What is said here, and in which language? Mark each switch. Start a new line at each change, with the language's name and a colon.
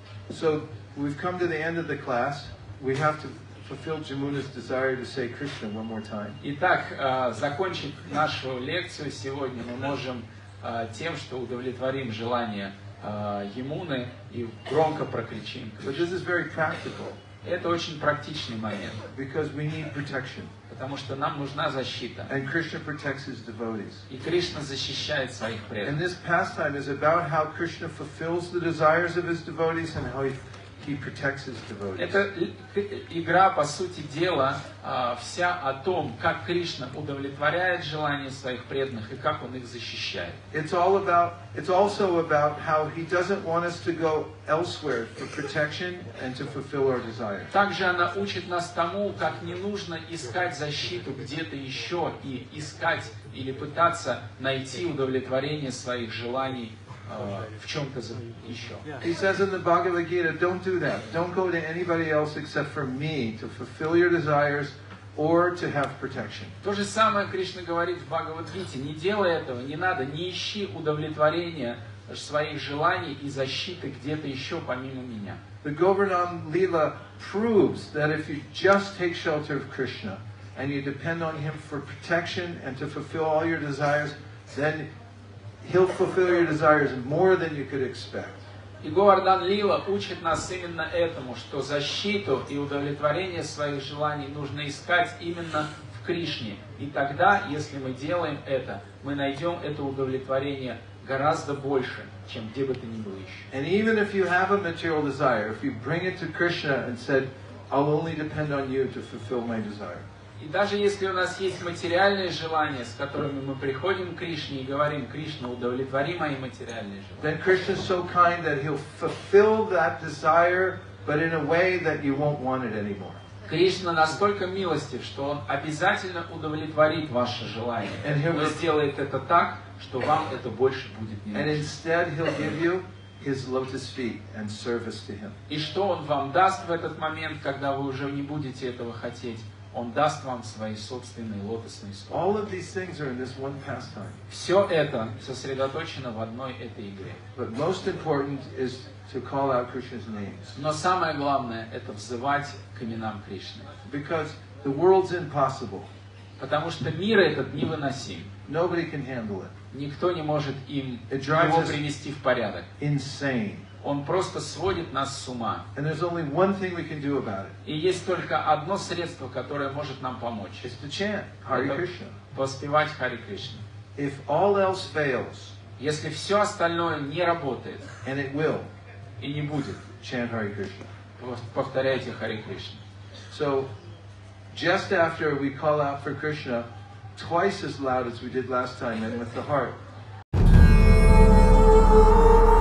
English: So we've come to the end of the class. We have to fulfill Jamuna's desire to say Krishna one more time.
Russian: Итак, закончив нашу лекцию сегодня, мы можем тем, что удовлетворим желание Ямуны и громко прокричим.
English: But this is very practical.
Russian: Это очень практичный момент.
English: Because we need protection.
Russian: Потому что нам нужна защита.
English: And Krishna protects his devotees.
Russian: И Кришна защищает своих преданных.
English: And this pastime is about how Krishna fulfills the desires of his devotees and how he protects his devotees.
Russian: Это игра, по сути дела, вся о том, как Кришна удовлетворяет желания своих преданных и как он их защищает.
English: It's also about how he doesn't want us to go elsewhere for protection and to fulfill our desires.
Russian: Также она учит нас тому, как не нужно искать защиту где-то еще и искать или пытаться найти удовлетворение своих желаний. В чем-то еще.
English: He says in the Bhagavad Gita, don't do that. Don't go to anybody else except for me to fulfill your desires or to have protection.
Russian: То же самое Кришна говорит в Бхагавад-гите. Не делай этого, не надо, не ищи удовлетворения своих желаний и защиты где-то еще помимо меня.
English: The Govardhan Lila proves that if you just take shelter of Krishna and you depend on him for protection and to fulfill all your desires, then He'll fulfill your desires more than you could expect.
Russian: И Говардан Лила учит нас именно этому, что защиту и удовлетворение своих желаний нужно искать именно в Кришне. И тогда, если мы делаем это, мы найдем это удовлетворение гораздо больше, чем где бы то ни было еще.
English: And even if you have a material desire, if you bring it to Krishna and said, I'll only depend on you to fulfill my desire.
Russian: И даже если у нас есть материальные желания, с которыми мы приходим к Кришне и говорим, Кришна, удовлетвори мои материальные желания.
English: Then Krishna is so kind that he'll fulfill that desire, but in a way that you won't want it anymore.
Russian: Кришна настолько милостив, что он обязательно удовлетворит ваше желание.
English: And
Russian: но сделает это так, что вам это больше будет не нужно.
English: And instead he'll give you his lotus feet and service to him.
Russian: И что он вам даст в этот момент, когда вы уже не будете этого хотеть? Он даст вам свои собственные лотосные стопы.
English: All of these things are in this one pastime.
Russian: Все это сосредоточено в одной этой игре.
English: But most important is to call out Krishna's names.
Russian: Но самое главное это взывать к именам Кришны.
English: Because the world's impossible.
Russian: Потому что мир этот невыносим.
English: Nobody can handle it.
Russian: Никто не может им его привести в порядок.
English: Insane.
Russian: Он просто сводит нас с ума.
English: And there's only one thing we can do about it.
Russian: И есть только одно средство, которое может нам помочь.
English: It's to chant Hare Krishna.
Russian: Воспевать Харе Кришну.
English: If all else fails,
Russian: если все остальное не работает,
English: and it will,
Russian: и не будет,
English: chant Hare Krishna.
Russian: Повторяйте Харе Кришну.
English: So, just after we call out for Krishna, twice as loud as we did last time, and with the heart.